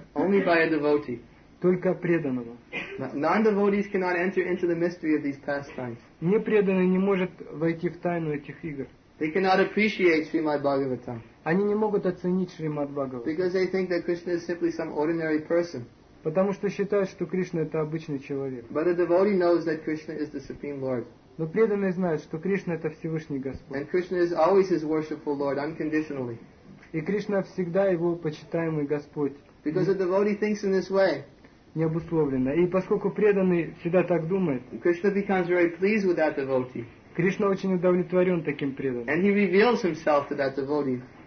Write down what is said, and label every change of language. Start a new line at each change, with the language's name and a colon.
English: only by a devotee.
Russian: Только преданного.
English: Non-devotees cannot enter into the mystery of these pastimes.
Russian: Непреданный не может войти в тайну этих игр.
English: They cannot appreciate Srimad Bhagavatam.
Russian: Они не могут оценить Шримад Бхагаватам.
English: Because they think that Krishna is simply some ordinary person.
Russian: Потому что считают, что Кришна это обычный человек.
English: But a devotee knows that Krishna is the Supreme Lord.
Russian: Но преданный знает, что Кришна это Всевышний Господь.
English: And Krishna is always his worshipful Lord, unconditionally.
Russian: И Кришна всегда его почитаемый Господь.
English: Because a devotee thinks in this way.
Russian: Необусловленно. И поскольку преданный всегда так думает,
English: Krishna becomes very pleased with that devotee.
Russian: Кришна очень удовлетворен таким преданным.
English: And he reveals himself to that devotee.